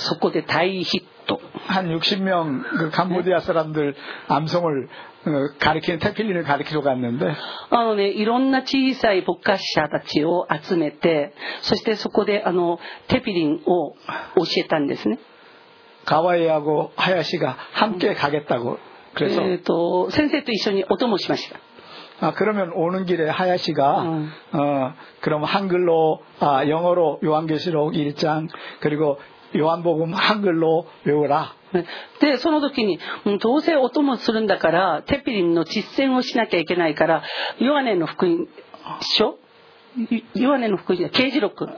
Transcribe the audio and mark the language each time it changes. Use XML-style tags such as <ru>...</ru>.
<ja>そこで大ヒット。</ja> <ko>한60명그カンボジア사람들암송을가르키는태필린을가르키러갔는데、</ko> <ja>ね、いろんな小さい牧師者たちを集めて、そしてそこで태필린を教えたんですね。</ja> <ko>가와이하고하야씨가함께가겠다고그래서</ko> <ja>선생님도 一緒にお供しました。</ja> <ko>아그러면오는길에하야씨가그럼한글로영어로요한계시록1장그리고요한복음한글로외워라。</ko> <ja>でその時にどうせお供するんだからテピリンの実践をしなきゃいけないから、ヨハネの福音書、ヨハネの福音書、啓示録、</ja>